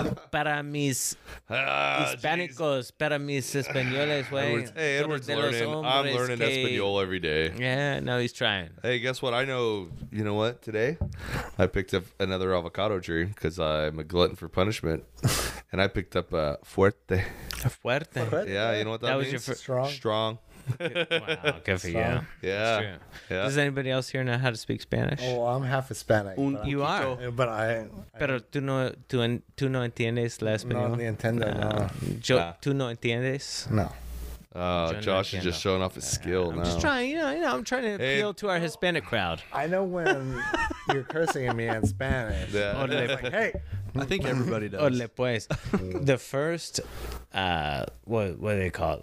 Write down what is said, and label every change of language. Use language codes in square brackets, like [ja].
[es] Para mis hispanicos, para mis españoles, [en] hey, Edward's learning. I'm learning Espanol every day. Yeah, no, he's trying. Hey, guess what? I know, you know what? Today, I picked up another avocado tree because I'm a glutton for punishment. And I picked up a fuerte. A fuerte. Yeah, you know what that means? Strong. Wow, good for you. Yeah. Does anybody else here know how to speak Spanish? Oh, I'm half Hispanic. You are. But I. [es] Pero tú no entiendes la español. No entiendo. Tú no entiendes. No. [en] Josh is just showing off his skill I'm now. I'm just trying, I'm trying to appeal to our Hispanic crowd. I know when you're cursing at me in Spanish. Yeah. Like, hey. I think everybody does. [es] Ole pues. [en] The first, what do they call it?